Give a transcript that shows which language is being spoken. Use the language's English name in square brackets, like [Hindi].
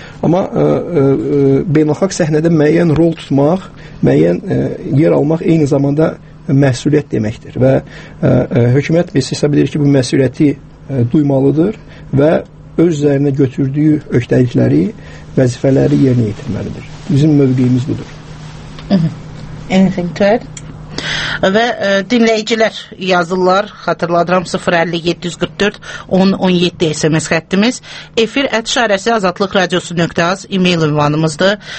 [Azerbaijani] Amma beynəlxalq səhnədə müəyyən rol tutmaq, müəyyən yer almaq eyni zamanda məsuliyyət deməkdir və hökumət biz hesab edir ki, bu məsuliyyəti duymalıdır və öz üzərinə götürdüyü öhdəlikləri, vəzifələri yerinə yetirməlidir. Bizim mövqeyimiz budur. [English] Anything to add? [Azerbaijani] Və dinləyicilər yazırlar, xatırladıram 057441017 SMS xəttimiz, efir@azadlikradiosu.az e-mail ünvanımızdır.